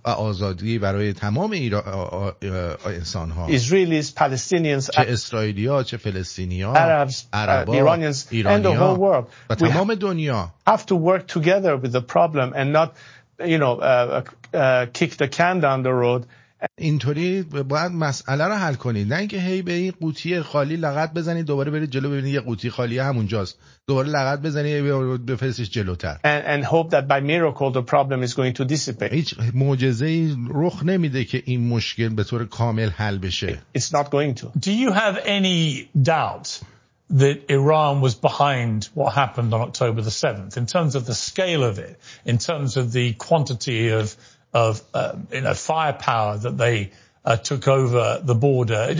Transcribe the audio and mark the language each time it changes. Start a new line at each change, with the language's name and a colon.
Persian: و آزادی برای تمام انسان‌ها.
English: Israelis, Palestinians.
Persian: چه اسرائیلی‌ها، چه فلسطینی‌ها.
English: Arabs, Iranians, and the whole world.
Persian: و تمام دنیا.
English: Have to work together with the problem and not, you know, kick the can down the road.
Persian: اینطوری باید مسئله رو حل کنید، نه اینکه هی به این قوطی خالی لغت بزنید، دوباره برید جلو ببینید یه قوطی خالی همونجاست، دوباره لغت بزنید بفرستش جلوتر.
English: And hope that by miracle the problem is going to dissipate.
Persian: هیچ معجزه‌ای رخ نمیده که این مشکل به طور کامل حل بشه.
English: It's not going to. Do you have any doubt that Iran was behind what happened on October the 7th in terms of the scale of it, in terms of the quantity of firepower that they took over the border?